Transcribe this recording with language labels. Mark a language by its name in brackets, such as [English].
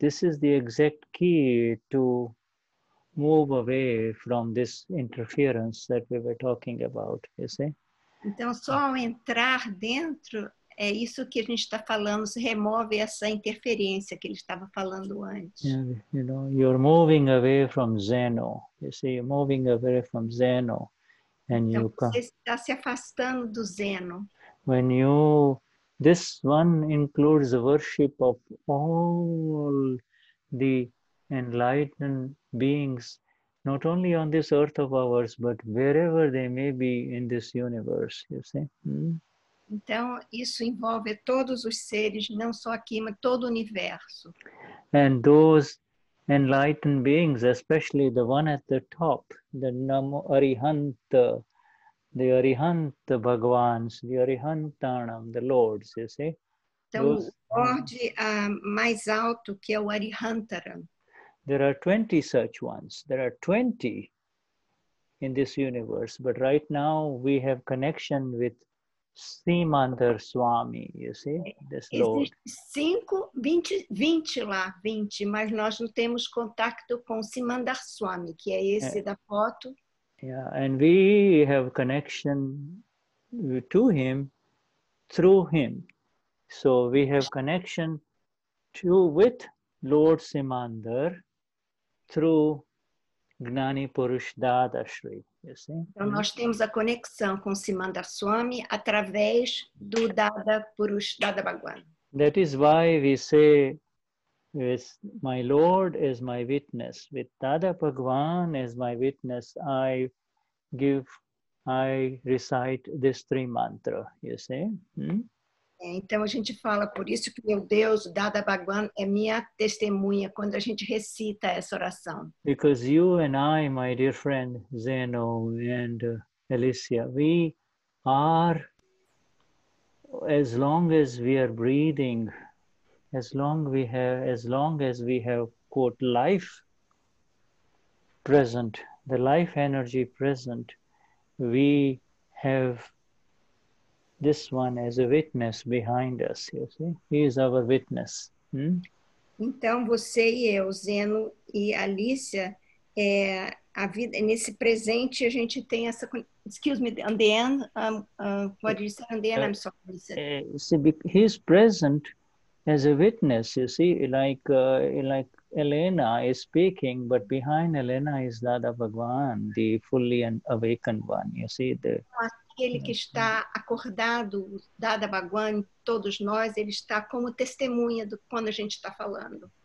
[English] This is the exact key to move away from this interference that we were talking about, you see? [Portuguese] Então, só ao entrar dentro, é isso que a gente está falando, se remove essa interferência que ele estava falando antes. [English] Yeah, you know, you're moving away from Zeno. You see, you're moving away from Zeno. And [Portuguese] então, [English] you [Portuguese] você come. Está se afastando do Zeno. [English] When you... This one includes the worship of all the enlightened beings, not only on this earth of ours, but wherever they may be in this universe, you see? [Portuguese] Então, isso envolve todos os seres, não só aqui, mas todo o universo. [English] And those enlightened beings, especially the one at the top, the Namo Arihanta, the Arihanta Bhagavans, the Arihantanam, the Lords, you see? [Portuguese] Então, o Lorde mais alto, que é o Arihantaram. [English] There are 20 such ones. There are 20 in this universe. But right now, we have connection with Simandar Swami, you see? This Lord. [Portuguese] Existem 20, mas nós não temos contato com Simandar Swami, que é esse da foto. [English] Yeah, and we have connection to him through him. So we have connection to with Lord Simandar through Gnani Purush Dada Shri, you see? [Portuguese] Então nós temos a conexão com Simandar Swami através do Dada Purush Dada Bhagwan. [English] That is why we say, yes, my Lord is my witness. With Dada Bhagwan as my witness, I recite this three mantra, you see? [Portuguese] Então a gente fala, por isso que meu Deus, Dada Bhagwan, é minha testemunha quando a gente recita essa oração. [English] Because you and I, my dear friend Zeno and Alicia, we are, as long as we are breathing, as long as we have quote life present, the life energy present, we have this one as a witness behind us, you see? He is our witness. [Portuguese] Então, você e eu, Zeno e Alicia, a vida, nesse presente, a gente tem essa... [English] Excuse me, on the end, what did you say? On the end, I'm sorry. He is present as a witness, you see? Like Elena is speaking, but behind Elena is Dada Bhagwan, the fully awakened one. You see the. [Portuguese] Aquele que está acordado, Dada Bhagwan, todos nós, ele está como testemunha do quando a gente está falando.